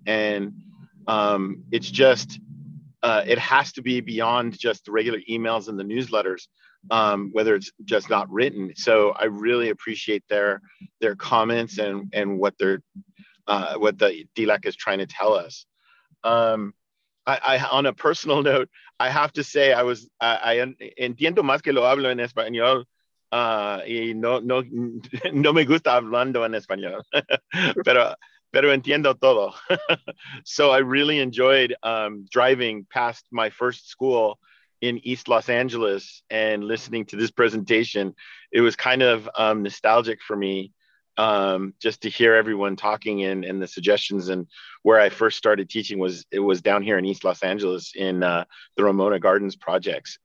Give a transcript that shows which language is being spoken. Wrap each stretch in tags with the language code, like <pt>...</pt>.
<en>And it's just, it has to be beyond just the regular emails and the newsletters, whether it's just not written. So I really appreciate their comments and what they're, what the DLEC is trying to tell us. On a personal note, I have to say I</en> <es>entiendo más que lo hablo en español y no me gusta hablando en español, pero entiendo todo.</es> <en>So I really enjoyed driving past my first school in East Los Angeles and listening to this presentation. It was kind of nostalgic for me just to hear everyone talking and the suggestions, and where I first started teaching was down here in East Los Angeles in the Ramona Gardens projects.</en>